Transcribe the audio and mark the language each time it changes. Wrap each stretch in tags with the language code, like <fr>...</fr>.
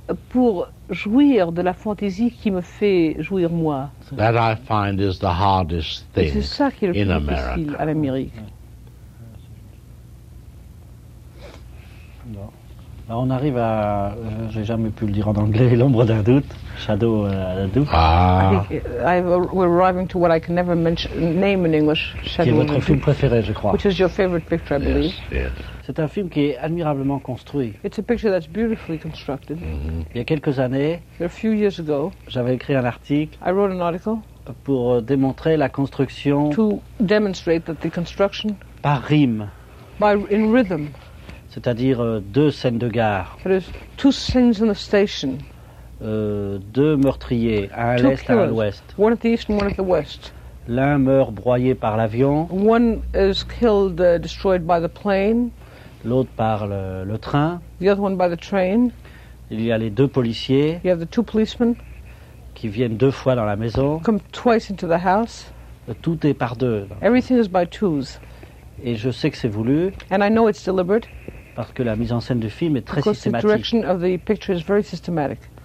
<fr>Pour jouir de la fantaisie qui me fait jouir moi.</fr> <en>That I find is the hardest thing</en> <fr>c'est ça qui est le</fr> <en>in</en> <fr>plus</fr> <en>America.</en> <fr>Difficile à l'Amérique. Non. Là, on arrive à, j'ai jamais pu le dire en anglais, l'ombre d'un doute,</fr> <en>shadow of a doubt. Ah. We're arriving to what I can never name in English, shadow of a doubt.</en> <fr>Qui est votre film préféré, je crois.</fr> <en>Which is your favorite picture, I believe. Yes, yes.</en> <fr>C'est un film qui est admirablement construit.</fr> <en>It's a picture that's beautifully constructed. Mm-hmm.</en> <fr>Il y a quelques années,</fr> <en>a few years ago,</en> <fr>j'avais écrit un article.</fr> <en>I wrote an article.</en> <fr>pour démontrer la construction.</fr> <en>To demonstrate that the construction.</en> <fr>Par rime.</fr> <en>By in rhythm.</en> <fr>C'est-à-dire deux scènes de gare.</fr> <en>There is two scenes in the station.</en> <fr>Deux meurtriers, un à l'est, un à l'ouest.</fr> <en>One at the east and one at the west.</en> <fr>L'un meurt broyé par l'avion.</fr> <en>One is killed, destroyed by the plane.</en> <fr>L'autre par le train.</fr> <en>The other one by the train.</en> <fr>Il y a les deux policiers.</fr> <en>You have the two policemen.</en> <fr>Qui viennent deux fois dans la maison.</fr> <en>Come twice into the house.</en> <fr>Tout est par deux.</fr> <en>Everything is by twos.</en> <fr>Et je sais que c'est voulu.</fr> <en>And I know it's deliberate.</en> <fr>Parce que la mise en scène du film est très systématique.</fr> <en>Because the direction of the picture is very systematic.</en>